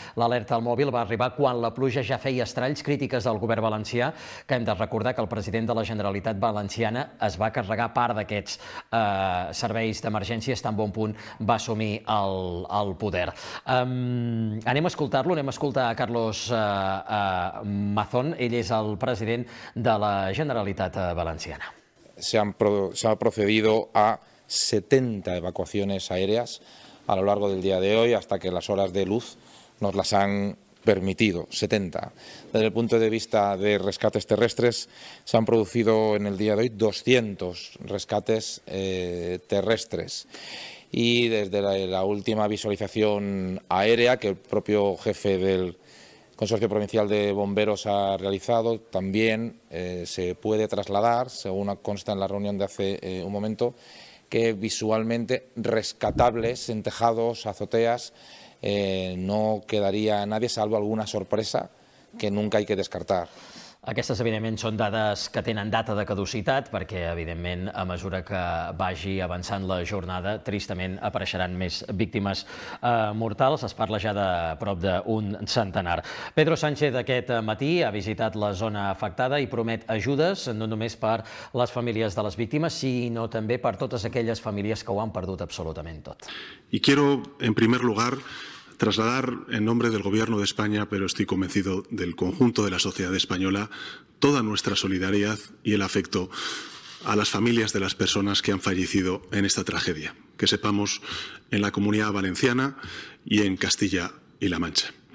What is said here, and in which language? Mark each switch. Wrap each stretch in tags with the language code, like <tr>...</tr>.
<ca>L'alerta al mòbil va arribar quan la pluja ja feia estralls, crítiques del govern valencià, que hem de recordar que el president de la Generalitat Valenciana es va carregar part d'aquests serveis d'emergències tan bon punt va assumir el poder. Anem a escoltar-lo, anem a escoltar a Carlos Mazón. Ell és el president de la Generalitat Valenciana.</ca> <es>Se ha procedido a 70 evacuaciones aéreas a lo largo del día de hoy hasta que las horas de luz nos las han permitido, 70. Desde el punto de vista de rescates terrestres, se han producido en el día de hoy 200 rescates terrestres. Y desde la última visualización aérea que el propio jefe del Consorcio Provincial de Bomberos ha realizado, también se puede trasladar, según consta en la reunión de hace un momento, que visualmente rescatables en tejados, azoteas, no quedaría nadie, salvo alguna sorpresa que nunca hay que descartar.</es> <ca>Aquestes, evidentment, són dades que tenen data de caducitat, perquè, evidentment, a mesura que vagi avançant la jornada, tristament apareixeran més víctimes mortals. Es parla ja de prop d'un centenar. Pedro Sánchez aquest matí ha visitat la zona afectada i promet ajudes, no només per les famílies de les víctimes, sinó també per totes aquelles famílies que ho han perdut absolutament tot.</ca> <es>Y quiero, en primer lugar, trasladar en nombre del Gobierno de España, pero estoy convencido del conjunto de la sociedad española, toda nuestra solidaridad y el afecto a las familias de las personas que han fallecido en esta tragedia, que sepamos en la Comunidad Valenciana y en Castilla y La Mancha.</es>